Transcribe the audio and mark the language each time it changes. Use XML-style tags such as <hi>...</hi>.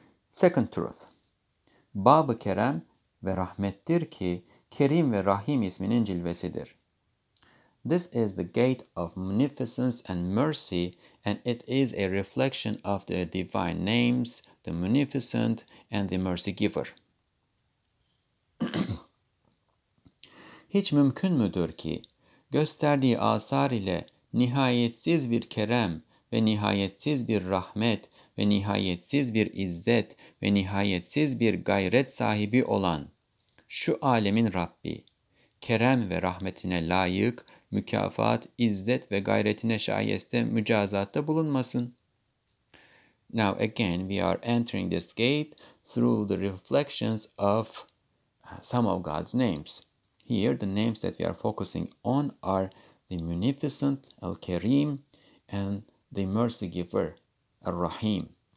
<en>Second truth.</en> <tr>Bab-ı Kerem ve Rahmettir ki Kerim ve Rahim isminin cilvesidir.</tr> <en>This is the gate of munificence and mercy, and it is a reflection of the divine names, the munificent and the mercy giver.</en> <tr>Hiç mümkün müdür ki gösterdiği asar ile nihayetsiz bir kerem ve nihayetsiz bir rahmet ve nihayetsiz bir izzet ve nihayetsiz bir gayret sahibi olan şu alemin Rabbi kerem ve rahmetine layık mükafat, izzet ve gayretine şayeste mücazatta bulunmasın.</tr> <en>Now again, we are entering this gate through the reflections of some of God's names. Here, the names that we are focusing on are the Munificent, Al-Kerim, and the Mercy Giver, Al-Rahim.</en>